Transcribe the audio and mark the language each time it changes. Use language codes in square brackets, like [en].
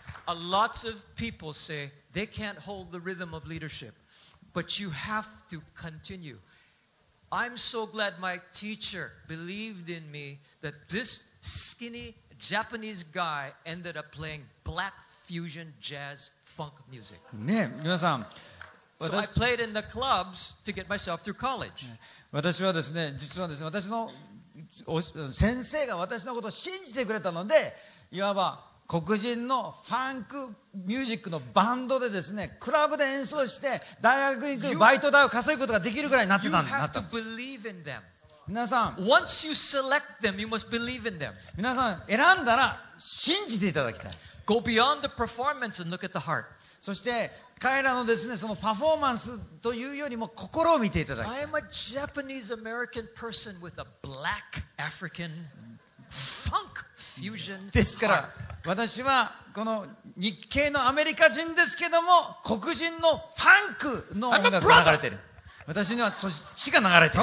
[en] A lots of people sayThey can't hold the rhythm of leadership, but you have to continue. I'm so glad my teacher believed in me that this skinny Japanese guy ended up playing black fusion jazz funk music. [ja] ね、皆さん。 [en] So I played in the clubs to get myself through college. [ja] 私はですね、実はですね、私の先生が私のことを信じてくれたので、いわば。黒人のファンクミュージックのバンドでですね、クラブで演奏して、大学に行くバイト代を稼ぐことができるぐらいになってたんだ。 [en] You have to believe in them. [ja] 皆さん、 [en] Once you select them, you must believe in them. [ja] 皆さん、選んだら信じていただきたい。 [en] Go beyond the performance and look at the heart. [ja] そして、彼らのですね、そのパフォーマンスというよりも心を見ていただきたい。 [en] I am a Japanese American person with a black African funk fusion. [ja] ですから、私はこの日系のアメリカ人ですけども黒人のファンクの音楽が流れてる私には血が流れてる